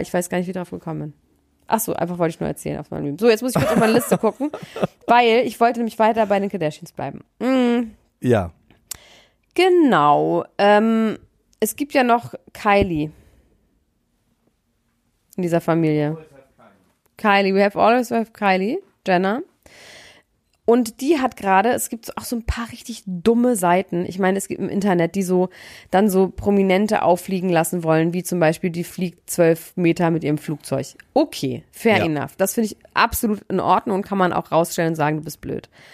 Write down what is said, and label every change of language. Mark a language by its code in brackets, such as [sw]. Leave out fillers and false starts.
[de] Ich weiß gar nicht, wie ich drauf gekommen bin. Ach so, einfach wollte ich nur erzählen auf meinem Leben. So, jetzt muss ich kurz auf meine Liste gucken. Weil ich wollte nämlich weiter bei den Kardashians bleiben. Mhm. Ja. Genau. Es gibt ja noch Kylie in dieser Familie. [en] Kylie. We have always have Kylie. [de] Jenner. Und die hat gerade, es gibt auch so ein paar richtig dumme Seiten. Ich meine, es gibt im Internet, die so dann so Prominente auffliegen lassen wollen, wie zum Beispiel, die fliegt 12 Meter mit ihrem Flugzeug. [en] Okay, fair enough. [de] Das finde ich absolut in Ordnung und kann man auch rausstellen und sagen, du bist blöd.